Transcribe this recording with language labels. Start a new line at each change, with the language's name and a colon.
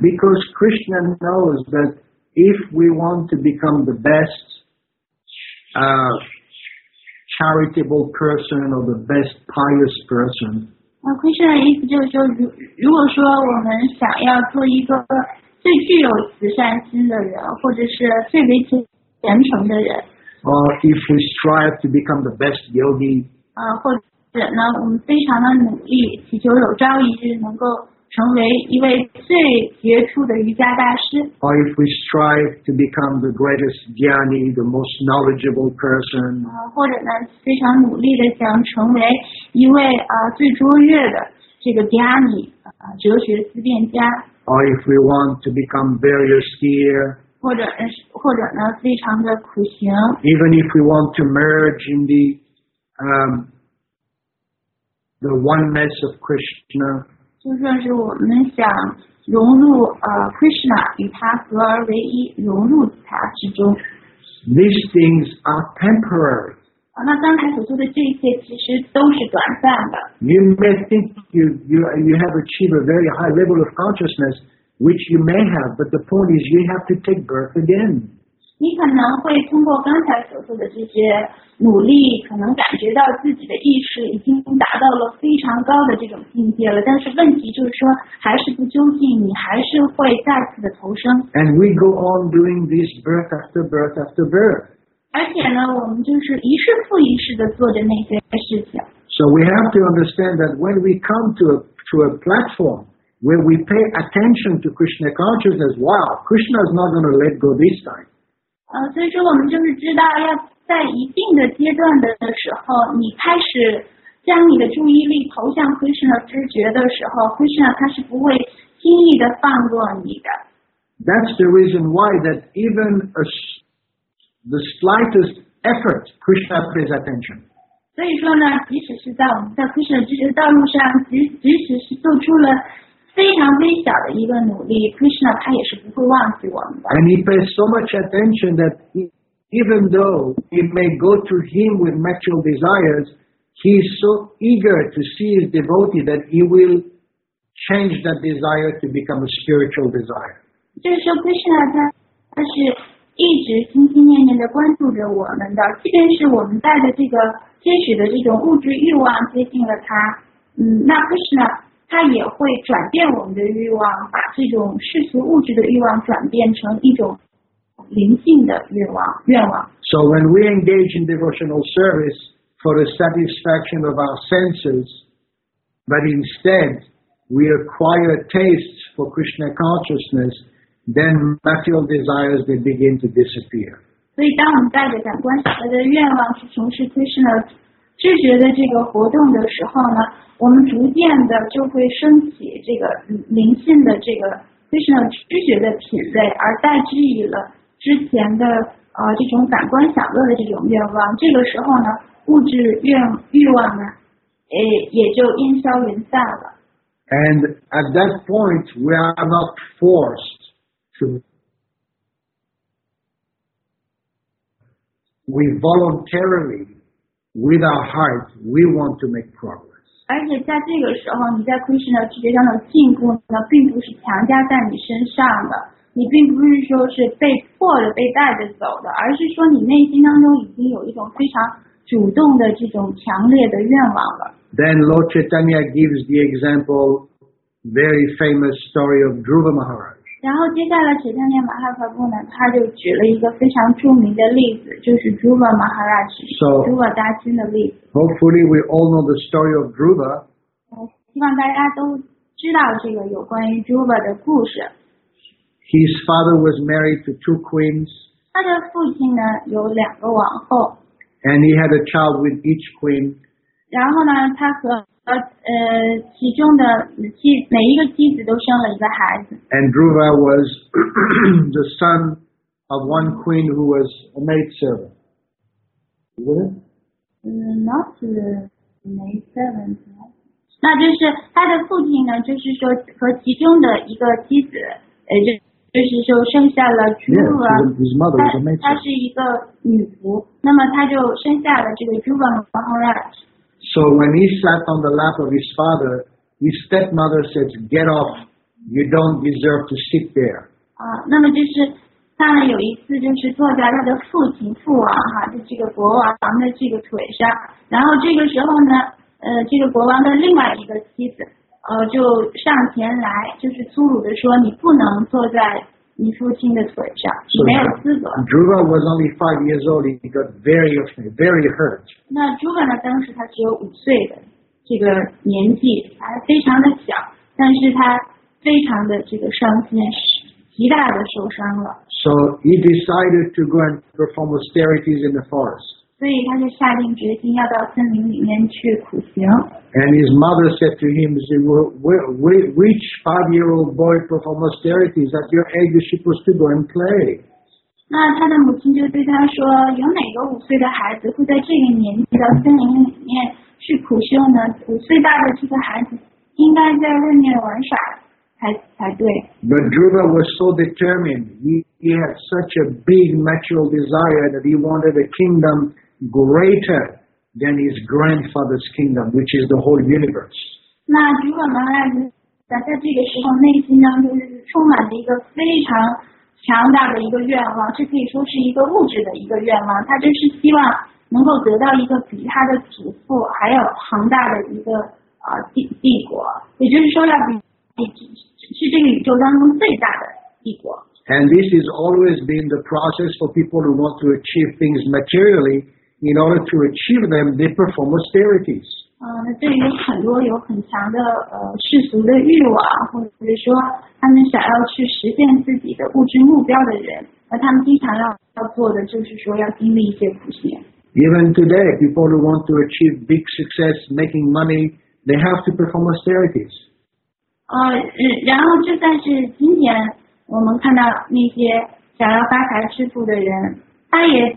English: Because Krishna knows thatIf we want to become the best charitable person or the best pious person,
Chinese: Krishna 的意思就是说，如果说我们想要做一个最具有慈善心的人，或者是最为虔诚的人，
English: or if we strive to become the best yogi,
Chinese: 或者呢，我们非常的努力，祈求有朝一日能够。成为一位最杰出的瑜伽大师。
English: Or if we strive to become the greatest jnani, the most knowledgeable person.
Chinese: 或者呢，非常努力的想成为一位最卓越的这个 jnani, 哲学思辨家。
English: Or if we want to become very austere.
Chinese: 或者呢，非常的苦行。
English: Even if we want to merge in the oneness of Krishna.
Chinese: 就算是我们想融入Krishna 与他合而为一，融入他之中。
English: These things are temporary.
Chinese: 那刚才所说的这些其实都是短暂的。
English: You may think you have achieved a very high level of consciousness, which you may have, but the point is you have to take birth again.
Chinese: 你可能会通过刚才所说的这些努力，可能感觉到自己的意识已经达到了非常高的这种境界了，但是问题就是说还是不究竟，你还是会再次的投生。
English: And we go on doing this birth after birth after birth.
Chinese: 而且呢，我们就是一世复一世的做着那些事情。
English: So we have to understand that when we come to a platform where we pay attention to Krishna consciousness, wow, Krishna is not going to let go this time.
Chinese: 所以说我们就是知道要。在一定的阶段的时候，你开始将你的注意力投向 Krishna 知觉的时候， Krishna 他是不会轻易的放过你的。
English: That's the reason why that even the slightest effort, Krishna pays attention.
Chinese: 所以说呢，即使是在我们在 Krishna 知觉道路上，即使是做出了非常微小的一个努力， Krishna 他也是不会忘记我们的。
English: And he pays so much attention that even though it may go to him with material desires, he is so eager to see his devotee that he will change that desire to become a spiritual desire.
Chinese: 就是说 Krishna 他是一直心心念念的关注着我们的，即便是我们带着这个接取的这种物质欲望接近了他，那 Krishna 他也会转变我们的欲望，把这种世俗物质的欲望转变成一种灵性的愿望。
English: So when we engage in devotional service for the satisfaction of our senses, but instead we acquire tastes for Krishna consciousness, then material desires they begin to disappear.
Chinese: 所以当我们带着感官上的愿望去从事 Krishna 知觉的这个活动的时候呢，我们逐渐的就会升起这个灵性的这个 Krishna 知觉的品味，而代之以了之前的这种感官享乐的这种愿望，这个时候呢，物质欲望呢，也就烟消云散了。
English: And at that point, we are not forced to. We voluntarily, with our hearts, we want to make progress.
Chinese: 而且在这个时候，你在 Krishna 世界上的进步呢，并不是强加在你身上的。你并不是说是被迫的被带着走的，而是说你内心当中已经有一种非常主动的这种强烈的愿望了。
English: Then Lord Chaitanya gives the example, very famous story of Dhruva Maharaj.
Chinese: 然后接下来 Chaitanya Mahaprabhu 呢他就举了一个非常著名的例子就是 Dhruva Maharaj,
English: so,
Chinese: Dhruva 大清的例子。
English: Hopefully we all know the story of Dhruva.
Chinese: 希望大家都知道这个有关于 Dhruva 的故事。
English: His father was married to two queens.
Chinese: 他的父亲呢有两个王后。
English: And he had a child with each queen.
Chinese: 然后呢他和其中的妻每一个妻子都生了一个孩子。
English: And Dhruva was the son of one queen who was a maidservant. Is it? Not the maidservant.
Chinese: 那就是他的父亲呢就是说和其中的一个妻子就是说生下了 Dhruva,
English: yeah, his mother was a maidservant.
Chinese: 他是一个女仆那么他就生下了这个 Dhruva Maharaj.
English: So when he sat on the lap of his father, his stepmother said, get off, you don't deserve to sit there.
Chinese: 那么就是他们有一次就是坐在他的父亲父王哈就这个国王的这个腿上。然后这个时候呢这个国王的另外一个妻子就上前来就是粗鲁地说你不能坐在你父亲的腿上你没有资格。
English: So, Dhruva was only 5 years old, he got very, very hurt.
Chinese: 那 Dhruva 呢当时他只有五岁的这个年纪还非常的小但是他非常的这个伤心极大的受伤了。
English: So he decided to go and perform austerities in the forest.
Chinese: 所以他就下定决心要到森林里面去苦行。
English: And his mother said to him, which 5 year old boy performs austerities? At your age, you're supposed to go and play.
Chinese: 那他的母亲就对他说，有哪个五岁的孩子会在这个年纪到森林里面去苦修呢？五岁大的这个孩子应该在外面玩耍才对。
English: But Dhruva was so determined. He had such a big natural desire that he wanted a kingdom greater. Than his grandfather's kingdom, which is the whole universe.
Chinese: 那如果呢，在这个时候内心当中就是充满了一个非常强大的一个愿望，这可以说是一个物质的一个愿望。他就是希望能够得到一个比他的祖父还有庞大的一个帝国，也就是说要比这个宇宙当中最大的帝国。
English: And this has always been the process for people who want to achieve things materially. In order to achieve them, they perform austerities.
Chinese: 这里有很多有很强的世俗的欲望，或者说他们想要去实现自己的物质目标的人，而他们经常要做的就是说要经历一些苦行。
English: Even today, people who want to achieve big success, making money, they have to perform austerities.
Chinese: 然后就算是今天我们看到那些想要发财致富的人，他也。